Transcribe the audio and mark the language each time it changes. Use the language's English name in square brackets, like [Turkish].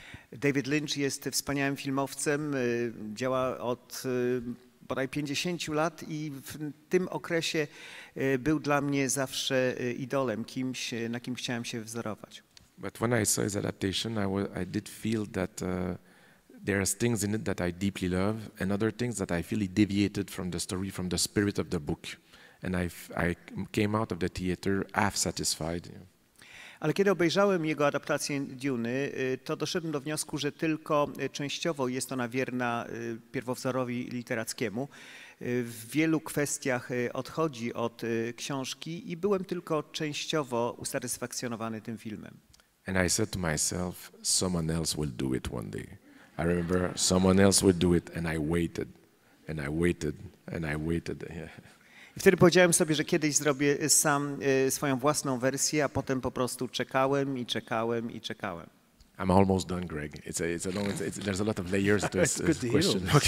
[Polish] David Lynch jest wspaniałym filmowcem. Działa od bodaj 50 lat i w tym okresie był dla mnie zawsze idolem, kimś, na kim chciałem się wzorować. [English] But when I saw his adaptation, I did feel that there are things in it that I deeply love, and other things that I feel he deviated from the story, from the spirit of the book. And I came out of the theater half satisfied. [Polish] Ale kiedy obejrzałem jego adaptację Dune'y, to doszedłem do wniosku, że tylko częściowo jest ona wierna pierwowzorowi literackiemu. W wielu kwestiach odchodzi od książki i byłem tylko częściowo usatysfakcjonowany tym filmem. [English] And I said to myself, someone else will do it one day. I remember, someone else will do it, and I waited, and I waited, and I waited. I wtedy powiedziałem sobie, że kiedyś zrobię sam swoją własną wersję, a potem po prostu czekałem i czekałem i czekałem. I'm almost done, Greig. There's a lot of layers to this question.